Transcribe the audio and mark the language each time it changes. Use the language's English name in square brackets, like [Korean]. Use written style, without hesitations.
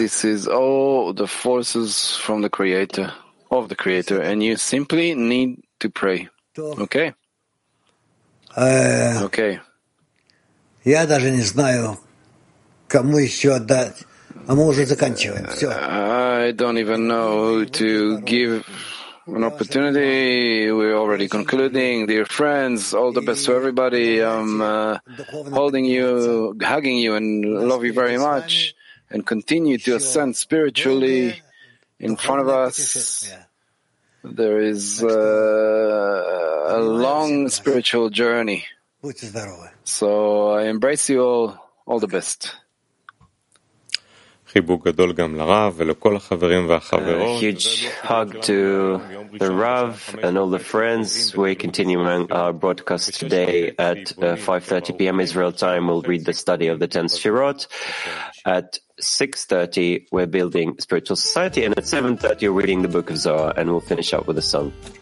[English] This is all the forces from the Creator, of the Creator, and you simply need to pray. Okay? Okay. [Russian] Я даже не знаю, кому еще отдать. А мы уже заканчиваем. Все. [English] I don't even know who to give an opportunity. We're already concluding. Dear friends, all the best to everybody. I'm holding you, hugging you, and love you very much. And continue to ascend spiritually in front of us. There is a long spiritual journey. So I embrace you all. All the best. [Hebrew] חיבוק גדול גם לרב ולכל החברים והחברות. [English] A huge hug to the Rav and all the friends. We continue our broadcast today at 5:30 p.m. Israel time. We'll read the study of the 10 Sefirot. At 6:30, we're building spiritual society, and at 7:30, we're reading the Book of Zohar, and we'll finish up with a song.